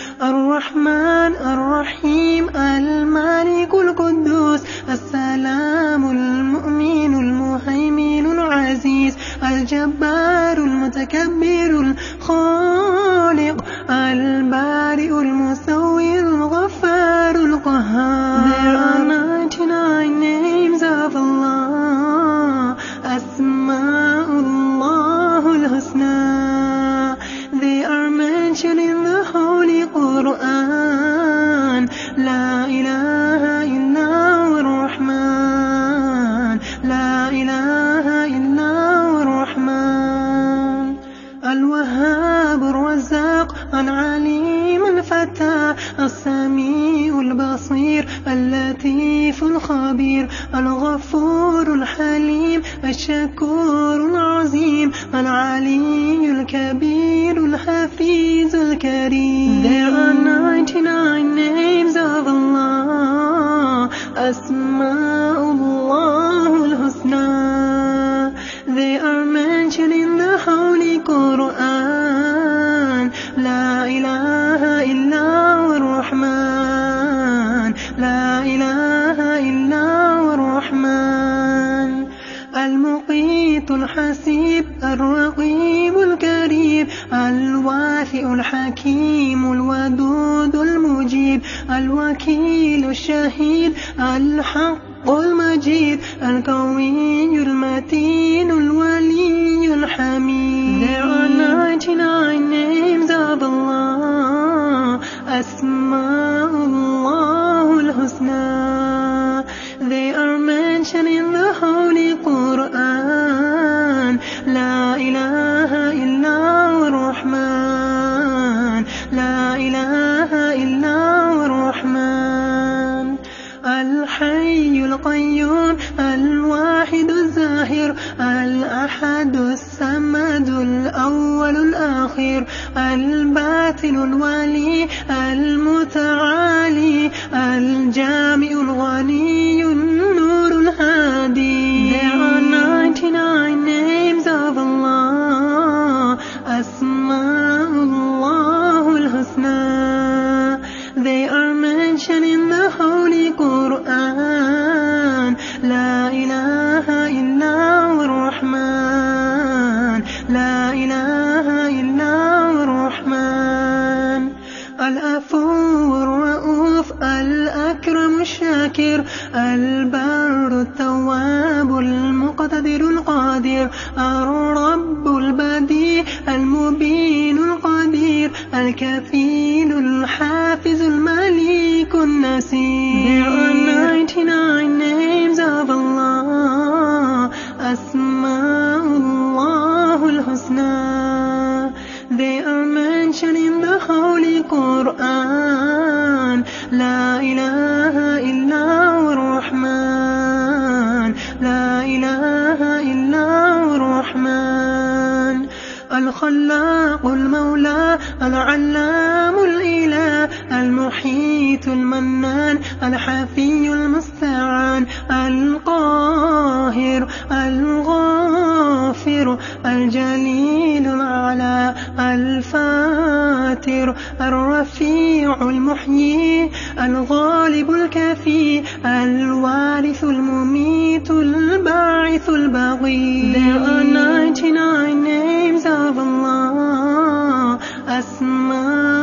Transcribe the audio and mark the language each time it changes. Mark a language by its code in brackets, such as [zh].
[ar] الرحمن الرحيم الملك القدوس السلام المؤمن المهيمن العزيز الجبار المتكبر الخالق البارئ المسوي الغفار القهار. [en] There are 99 names of Allah. [ar] أسماء الله الحسنى. [en] They are mentioned in the Holy Quran. [ar] لا إله إلا الله الرحمن. لا إله إلا الله الرحمن. الوهاب الرزاق العليم الفتاح السميع البصير اللطيف الخبير الغفور الحليم الشكور العظيم العلي الكبير الحفيظ الكريم. [en] There are 99 names of Allah. [ar] أسماء الله الحسنى. [en] They are mentioned in the Holy Quran. [ar] لا إله إلا الله الرحمن. لا إله إلا الله الرحمن. المقيت الحسيب الرقيب الكريم الوافي الحكيم الودود المجيب الوكيل الشهيد الحق المجيد القوي المتين الولي الحميد. [en] There are 99 names of Allah. [ar] أسماء الله الحسنى. [en] They are mentioned in the Holy Quran. [ar] لا إله إلا الله الرحمن. لا إله إلا الله الرحمن. الحي القيوم الواحد الظاهر الأحد الصمد الأول الآخر الباطن الولي المتعالي الجامع الغني النور الهادي. [en] There are 99 names of Allah. [ar] أسماء الله الحسنى. [en] They are mentioned in the Holy Quran. [ar] لا إله إلا الله الرحمن. لا إله إلا الله الرحمن. العفو الرؤوف الأكرم الشاكر البر التواب المقتدر القادر الرب البديع المبين القدير الكفيل الحافظ المليك النسير. [en] There are 99 names of Allah. [ar] أسماء الله الحسنى. [en] They are mentioned in the Holy Quran. [ar] لا إله إلا الله الرحمن. لا إله إلا الله الرحمن. الخلاق المولى العلام الإله المحيط المنان الحفي المستعان القاهر الغافر الجليل العلا الفاتر الرفيع المحيي الغالب الكافي الوارث المميت الباعث البغي. [en] There are 99 names of Allah. أسماء